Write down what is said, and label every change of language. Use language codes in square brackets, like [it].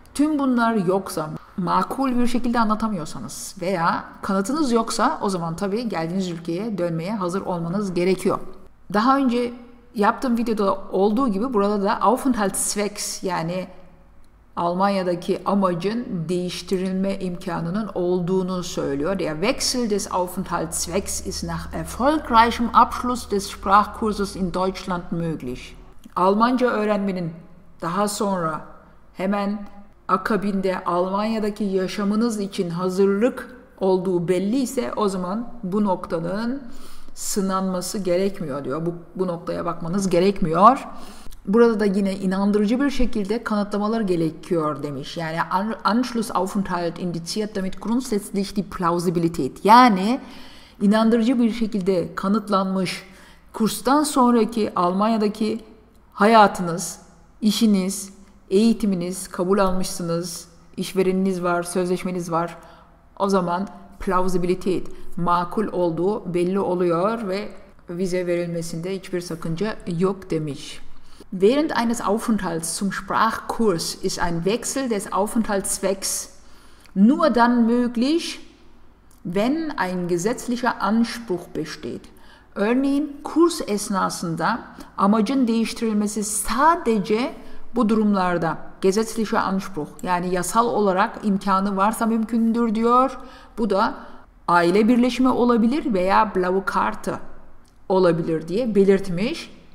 [tr] Tüm bunlar yoksa, makul bir şekilde anlatamıyorsanız veya kanıtınız yoksa o zaman tabii geldiğiniz ülkeye dönmeye hazır olmanız gerekiyor. Daha önce yaptığım videoda olduğu gibi burada da Aufenthaltszweck, yani Almanya'daki amacın değiştirilme imkanının olduğunu söylüyor. [de] Der Wechsel des Aufenthaltszwecks ist nach erfolgreichem Abschluss des Sprachkurses in Deutschland möglich. [tr] Almanca öğrenmenin daha sonra hemen akabinde Almanya'daki yaşamınız için hazırlık olduğu belliyse o zaman bu noktanın sınanması gerekmiyor diyor. Bu noktaya bakmanız gerekmiyor. Burada da yine inandırıcı bir şekilde kanıtlamalar gerekiyor demiş. Yani [de] Anschlussaufenthalt indiziert damit grundsätzlich die Plausibilität. [tr] Yani inandırıcı bir şekilde kanıtlanmış kurstan sonraki Almanya'daki hayatınız, işiniz, eğitiminiz, kabul almışsınız, işvereniniz var, sözleşmeniz var. O zaman plausibilität, makul olduğu belli oluyor ve vize verilmesinde hiçbir sakınca yok demiş. [de] Während eines Aufenthalts zum Sprachkurs ist ein Wechsel des Aufenthaltszwecks nur dann möglich, wenn ein gesetzlicher Anspruch besteht. [tr] Örneğin kurs esnasında amacın değiştirilmesi sadece bu durumlarda gesetzlicher Anspruch, yani yasal olarak imkanı varsa mümkündür diyor. Bu da aile birleşme olabilir veya Blaue Karte olabilir diye belirtmiş.